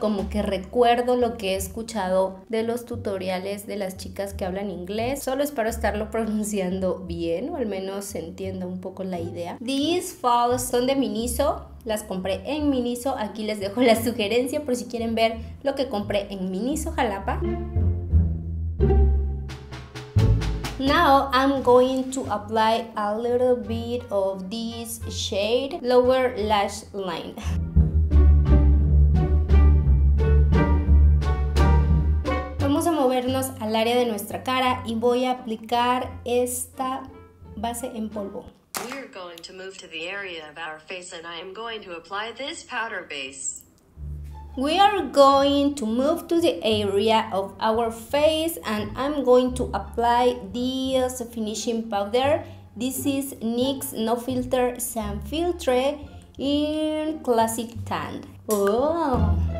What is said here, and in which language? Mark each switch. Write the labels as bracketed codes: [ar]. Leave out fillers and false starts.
[es] Como que recuerdo lo que he escuchado de los tutoriales de las chicas que hablan inglés. Solo espero estarlo pronunciando bien. O al menos entienda un poco la idea. These falsos son de Miniso. Las compré en Miniso. Aquí les dejo la sugerencia por si quieren ver lo que compré en Miniso Jalapa. [en] Now I'm going to apply a little bit of this shade lower lash line. [es] Vamos a movernos al área de nuestra cara y voy a aplicar esta base en polvo. [en] We're going to move to the area of our face and I am going to apply this powder base. We are going to move to the area of our face and I'm going to apply this finishing powder. This is NYX No Filter Sans Filtre in Classic Tan. Oh.